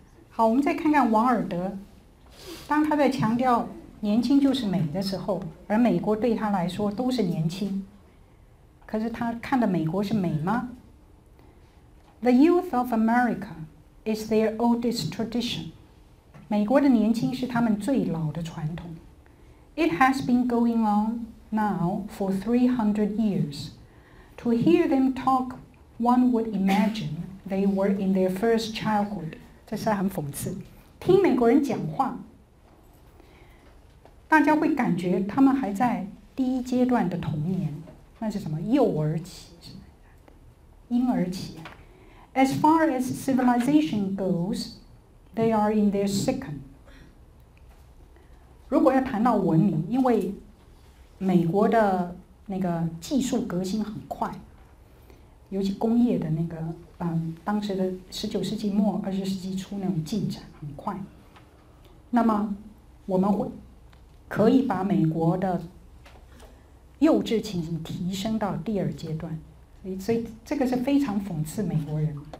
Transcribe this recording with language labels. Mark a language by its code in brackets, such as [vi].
[zh] 好，我们再看看王尔德，当他在强调年轻就是美的时候，而美国对他来说都是年轻，可是他看的美国是美吗？ [en] The youth of America is their oldest tradition。 [zh] 美国的年轻是他们最老的传统。 [en] It has been going on。 Now, for 300 years, to hear them talk, one would imagine they were in their first childhood. [zh] 这是很讽刺。听美国人讲话，大家会感觉他们还在第一阶段的童年，那是什么？幼儿期，婴儿期。 [en] As far as civilization goes, they are in their second. [zh] 如果要谈到文明，因为美国的那个技术革新很快，尤其工业的那个，当时的19世纪末、20世纪初那种进展很快。那么，我们会可以把美国的幼稚情形提升到第二阶段，所以这个是非常讽刺美国人。